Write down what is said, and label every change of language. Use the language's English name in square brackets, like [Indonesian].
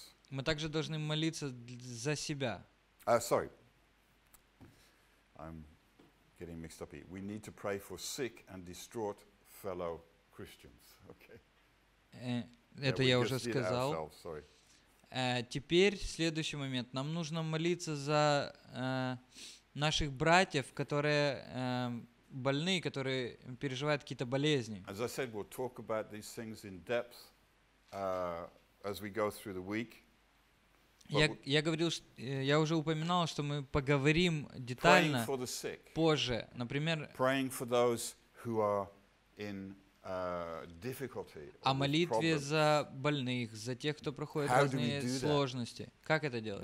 [Russian] Мы также должны молиться за себя. [English] We need to pray for sick and distraught fellow Christians. Okay. [Russian] Это я уже сказал. Теперь следующий момент. Нам нужно молиться за наших братьев, которые больны, которые переживают какие-то болезни. [English] As I said, we'll talk about these things in depth as we go through the week. [Russian] Я уже упоминал, что мы поговорим детально позже. Например, о молитве за больных, за тех, кто проходит разные сложности. Как это делать?